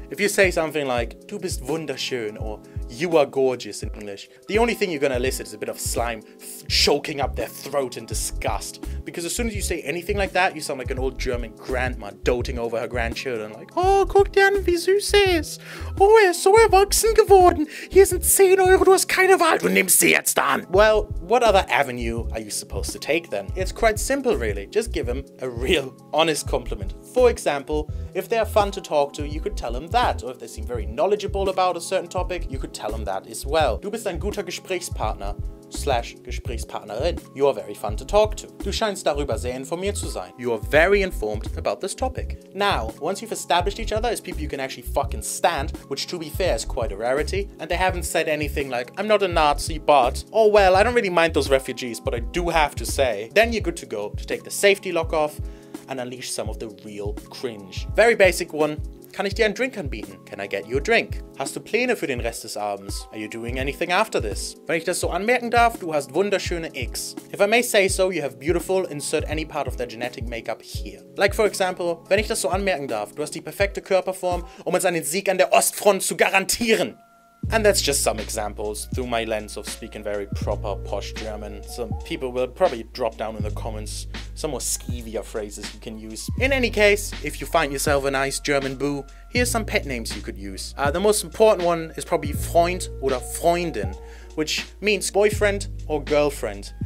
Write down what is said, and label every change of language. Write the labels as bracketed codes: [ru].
[en] If you say something like, [de] du bist wunderschön, [en] or you are gorgeous in English, the only thing you're gonna elicit is a bit of slime choking up their throat in disgust. Because as soon as you say anything like that, you sound like an old German grandma doting over her grandchildren, like, oh, [de] guck dir an, wie süß er ist. Oh, er ist so erwachsen geworden. Hier sind 10 Euro, du hast keine Wahl, du nimmst sie jetzt an. [en] Well, what other avenue are you supposed to take then? It's quite simple, really. Just give him a real, honest compliment. For example, if they are fun to talk to, you could tell them that. Or if they seem very knowledgeable about a certain topic, you could tell them that as well. [de] Du bist ein guter Gesprächspartner. / Gesprächspartnerin. [en] You are very fun to talk to. [de] Du scheinst darüber sehr informiert zu sein. [en] You are very informed about this topic. Now, once you've established each other as people you can actually fucking stand, which to be fair is quite a rarity, and they haven't said anything like, I'm not a Nazi, but, oh well, I don't really mind those refugees, but I do have to say, then you're good to go to take the safety lock off and unleash some of the real cringe. Very basic one. [de] Kann ich dir einen Drink anbieten? [en] Can I get you a drink? [de] Hast du Pläne für den Rest des Abends? [en] Are you doing anything after this? [de] Wenn ich das so anmerken darf, du hast wunderschöne X. [en] If I may say so, you have beautiful, insert any part of their genetic makeup here. Like for example, [de] wenn ich das so anmerken darf, du hast die perfekte Körperform, um uns einen Sieg an der Ostfront zu garantieren. [en] And that's just some examples through my lens of speaking very proper posh German. Some people will probably drop down in the comments some more skeevier phrases you can use. In any case, if you find yourself a nice German boo, here's some pet names you could use. The most important one is probably Freund oder Freundin, which means boyfriend or girlfriend.